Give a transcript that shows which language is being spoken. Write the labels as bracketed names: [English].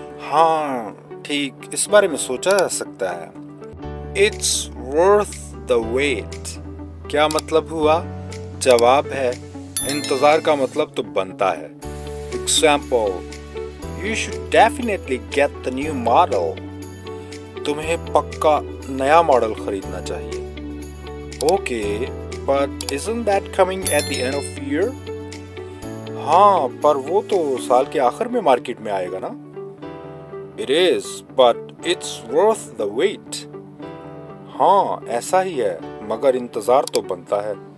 [Hindi] हाँ, ठीक, इस बारे में सोचा जा सकता है. [English] It's worth the wait. [Hindi] क्या मतलब हुआ? जवाब है, इंतजार का मतलब तो बनता है. [English] Example: You should definitely get the new model. [Hindi] तुम्हें पक्का नया मॉडल खरीदना चाहिए. [English] Okay, but isn't that coming at the end of year? [Hindi] हाँ, पर वो तो साल के आखिर में मार्केट में आएगा ना. [English] It is, but it's worth the wait. [Hindi] हाँ, ऐसा ही है, मगर इंतजार तो बनता है.